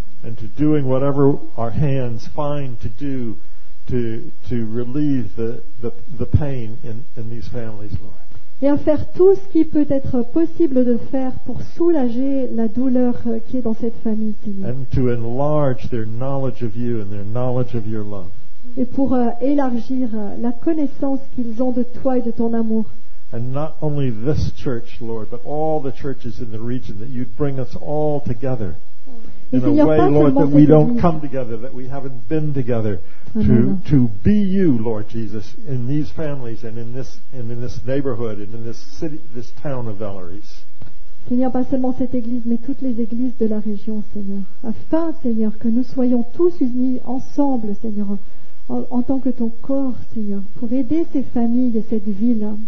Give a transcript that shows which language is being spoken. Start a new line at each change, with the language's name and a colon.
English: And to doing whatever our hands find to do to relieve the pain in these families, Lord.
French: Et à faire tout ce qui peut être possible de faire pour soulager la douleur qui est dans cette famille, Seigneur.
English: And to enlarge their knowledge of you and their knowledge of your love.
French: Et pour élargir la connaissance qu'ils ont de toi et de ton amour.
English: And not only this church, Lord, but all the churches in the region, that you'd bring us all together. in a way, Lord, that we don't come together, that we haven't been together to be you, Lord Jesus, in these families and in this neighborhood and in this city, this town of Valeries.
French: Qu'il n'y a pas seulement cette église, mais toutes les églises de la région, Seigneur. Afin, Seigneur, que nous soyons tous unis ensemble, Seigneur, en tant que ton corps, Seigneur, pour aider ces familles et cette ville.